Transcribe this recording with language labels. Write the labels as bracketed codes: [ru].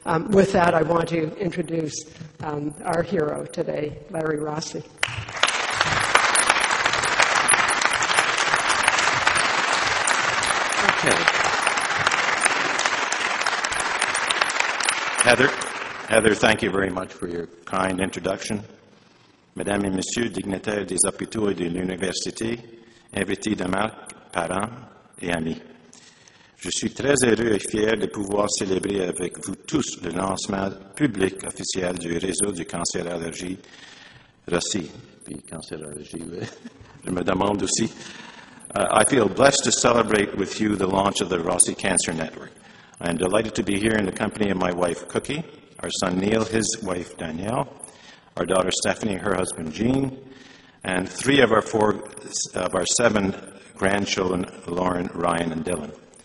[en] With that, I want to introduce our hero today, Larry Rossi. Okay. Heather, thank you very much for your kind introduction. [fr] Mesdames et Messieurs, dignitaires des hôpitaux et de l'université, invités de marque, parents et amis. Je suis très heureux et fier de pouvoir célébrer avec vous tous le lancement public officiel du réseau du cancer allergie Rossi. Puis cancer allergie, oui. Je me demande aussi. [en] I feel blessed to celebrate with you the launch of the Rossi Cancer Network. I am delighted to be here in the company of my wife Cookie, our son Neil, his wife Danielle, our daughter Stephanie, her husband Jean, and three of our seven grandchildren, Lauren, Ryan, and Dylan.